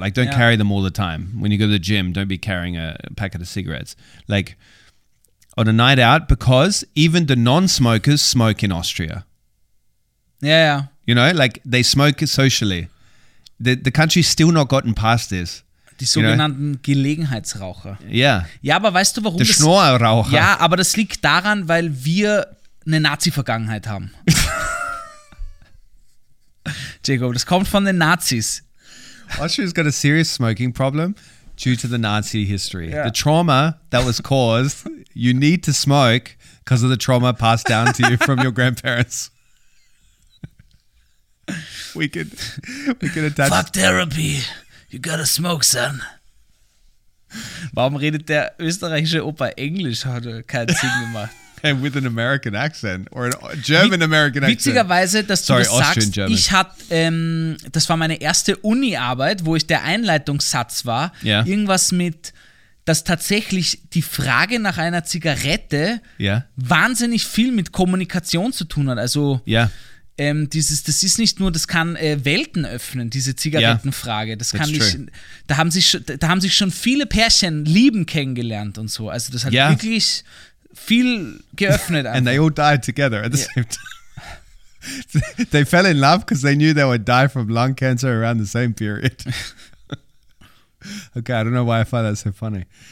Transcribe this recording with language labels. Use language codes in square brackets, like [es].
[en] Like, don't carry them all the time. When you go to the gym, don't be carrying a packet of cigarettes. Like, on a night out, because even the non-smokers smoke in Austria. Yeah. You know, like, they smoke socially. The country's still not gotten past this. [de] Die sogenannten Gelegenheitsraucher. [en] Yeah. [de] Ja, aber weißt du, warum das... Schnorraucher. Ja, aber das liegt daran, weil wir eine Nazi-Vergangenheit haben. Jacob, das kommt von den Nazis. [en] Austria's got a serious smoking problem due to the Nazi history. Yeah. The trauma that was caused, you need to smoke because of the trauma passed down to you from your grandparents. We could attach. Fuck therapy. You gotta smoke, son. [de] Warum redet der österreichische Opa Englisch? Hat er keinen Sinn gemacht. [en] And with an American accent or a German-American accent. [de] Witzigerweise, dass du das sagst, ich hatte, das war meine erste Uni-Arbeit, wo ich der Einleitungssatz war, irgendwas mit, dass tatsächlich die Frage nach einer Zigarette wahnsinnig viel mit Kommunikation zu tun hat. Also das ist nicht nur, das kann Welten öffnen, diese Zigarettenfrage. Das kann nicht, da haben sich schon viele Pärchen lieben kennengelernt und so. Also das hat wirklich... viel geöffnet. [en] And they all died together at the same time. They fell in love because they knew they would die from lung cancer around the same period. Okay, I don't know why I find that so funny.